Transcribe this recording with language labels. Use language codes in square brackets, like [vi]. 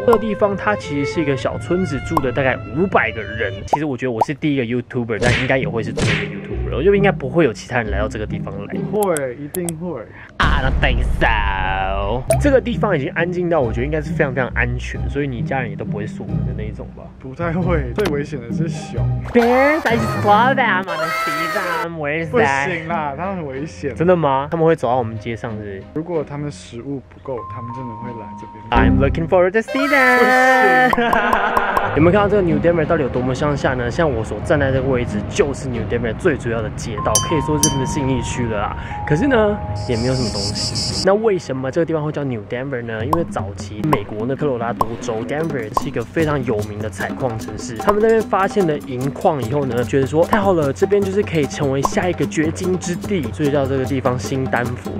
[zh] 这个地方它其实是一个小村子，住的大概500个人。其实我觉得我是第一个 YouTuber， 但应该也会是最后一个 YouTuber， 我就应该不会有其他人来到这个地方来。会，一定会。啊，那等一下。这个地方已经安静到我觉得应该是非常非常安全，所以你家人也都不会锁门的那一种吧？不太会，最危险的是熊。 [en] Bears, I saw them on the street. Where is that? [zh] 不行啦，他们很危险。真的吗？他们会走到我们街上是不是？如果他们食物不够，他们真的会来这边。 [en] I'm looking forward to see them. [zh] 不行。有没有看到这个 New Denver 到底有多么乡下呢？像我所站在这个位置，就是 New Denver 最主要的街道，可以说是真的信义区了啦。可是呢，也没有什么东西。那为什么这个地方会叫 New Denver 呢？因为早期美国的科罗拉多州 Denver 是一个非常有名的采矿城市，他们那边发现了银矿以后呢，觉得说太好了，这边就是可以成为下一个掘金之地，所以叫这个地方新丹佛。